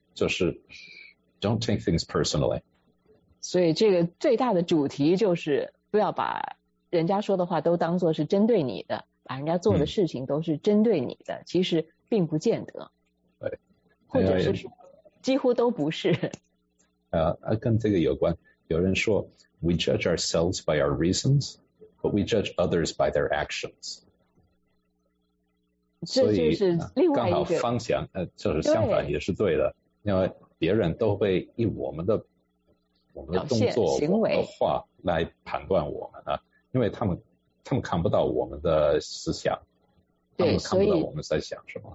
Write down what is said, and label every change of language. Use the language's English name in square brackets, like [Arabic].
[Chinese] 就是 [English] don't take things personally， [Chinese] 所以这个最大的主题就是不要把人家说的话都当作是针对你的，把人家做的事情都是针对你的，其实并不见得。对，或者是几乎都不是。跟这个有关，有人说 [English] we judge ourselves by our reasons but we judge others by their actions。 [Chinese] 这就是另外一个刚好方向，就是相反也是对的，因为别人都会以我们的动作、行为、话来判断我们啊，因为他们看不到我们的思想，他们看不到我们在想什么。